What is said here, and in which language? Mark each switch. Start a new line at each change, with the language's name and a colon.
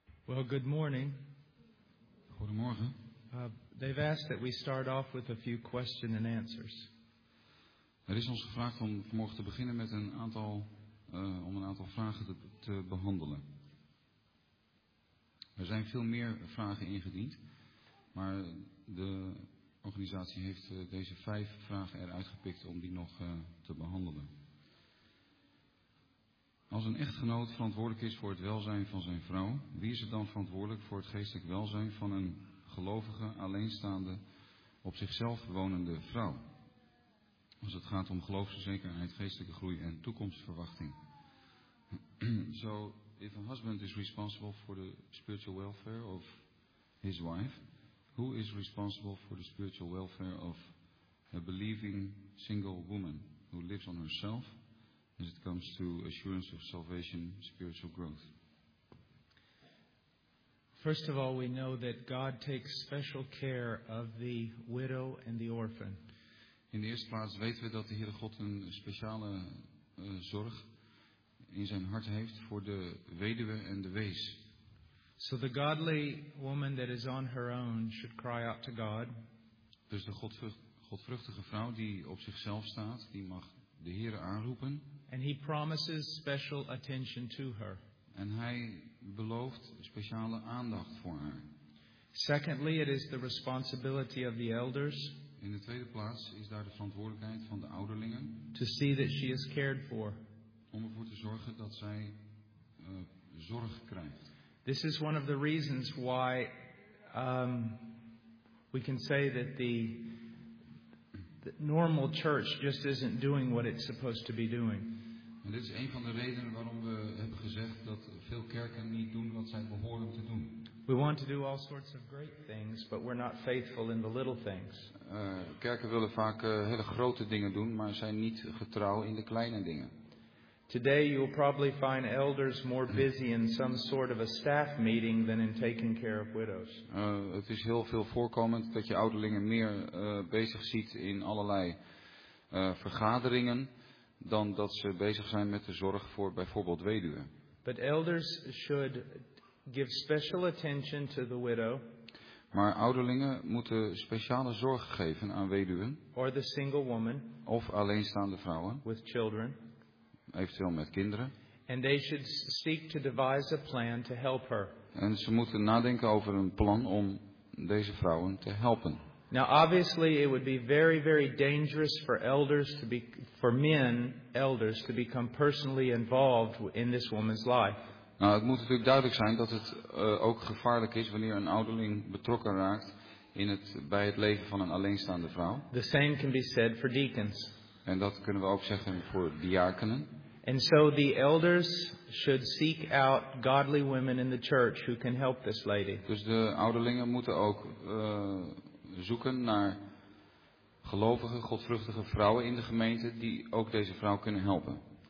English: Well, good morning.
Dutch: Goedemorgen.
English: They've asked that we start off with a few questions and answers.
Dutch: Er is ons gevraagd om vanmorgen te beginnen met een aantal vragen te behandelen. Er zijn veel meer vragen ingediend, maar de organisatie heeft deze 5 vragen eruit gepikt om die nog te behandelen. Als een echtgenoot verantwoordelijk is voor het welzijn van zijn vrouw, wie is er dan verantwoordelijk voor het geestelijk welzijn van een gelovige, alleenstaande, op zichzelf wonende vrouw? Als het gaat om geloofszekerheid, geestelijke groei en toekomstverwachting.
English: So, if a husband is responsible for the spiritual welfare of his wife, who is responsible for the spiritual welfare of a believing single woman who lives on herself as it comes to assurance of salvation, spiritual growth? First of all, we know that God takes special care of the widow and the orphan.
Dutch: In de eerste plaats weten we dat de Heere God een speciale zorg in zijn hart heeft voor de weduwe en de wees.
English: So the godly woman that is on her own should cry out to God.
Dutch: Dus de godvruchtige vrouw die op zichzelf staat, die mag de Heere aanroepen.
English: And he promises special attention to her.
Dutch: En hij belooft speciale aandacht voor haar.
English: Secondly, it is the responsibility of the elders.
Dutch: In de tweede plaats is daar de verantwoordelijkheid van de ouderlingen.
English: To see that she is cared for.
Dutch: Om ervoor te zorgen dat zij zorg krijgt.
English: This is one of the reasons why we can say that the normal church just isn't doing what it's supposed to be doing.
Dutch: En dit is een van de redenen waarom we hebben gezegd dat veel kerken niet doen wat zij behoren te doen.
English: We want to do all sorts of great things, but we're not faithful in the little things.
Dutch: Kerken willen vaak hele grote dingen doen, maar zijn niet getrouw in de kleine dingen.
English: Today you will probably find elders more busy in some sort of a staff meeting than in taking care of widows.
Dutch: Het is heel veel voorkomend dat je ouderlingen meer bezig ziet in allerlei vergaderingen dan dat ze bezig zijn met de zorg voor bijvoorbeeld weduwen.
English: But elders should give special attention to the widow.
Dutch: Maar ouderlingen moeten speciale zorg geven aan weduwen.
English: Or the single woman.
Dutch: Of alleenstaande vrouwen.
English: With children.
Dutch: Eventueel met kinderen.
English: And they should seek to devise a plan to help her.
Dutch: En ze moeten nadenken over een plan om deze vrouwen te helpen.
English: Now obviously it would be very, very dangerous for elders to be, for men elders to become personally involved in this woman's life.
Dutch: Nou, het moet natuurlijk duidelijk zijn dat het ook gevaarlijk is wanneer een ouderling betrokken raakt in het, bij het leven van een alleenstaande vrouw.
English: The same can be said for deacons.
Dutch: En dat kunnen we ook zeggen voor diakenen.
English: And so the elders should seek out godly women in the church who can help this lady.
Dutch: Dus de ouderlingen moeten ook zoeken naar gelovige, godvruchtige vrouwen in de gemeente die ook deze vrouw kunnen helpen.